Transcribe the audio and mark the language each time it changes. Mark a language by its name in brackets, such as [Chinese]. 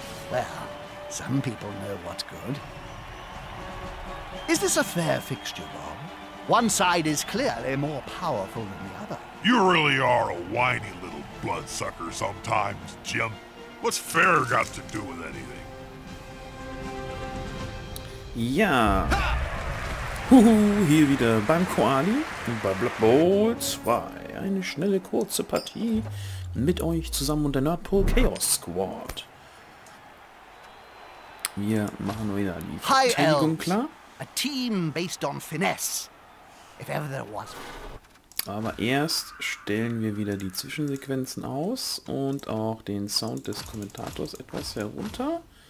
[English] Well, some people know what's good. Is this a fair fixture, Bob? One side is clearly more powerful than the other. You really are a whiny little bloodsucker sometimes, Jim. What's fair got to do with anything? Yeah. [German] Huhu, hier wieder beim Quali, bei Blood Bowl 2. Eine schnelle, kurze Partie mit euch zusammen und der Nordpol Chaos Squad. Wir machen wieder die Verteidigung klar. [English] A team based on finesse, if ever there was. [German] Aber erst stellen wir wieder die Zwischensequenzen aus und auch den Sound des Kommentators etwas herunter.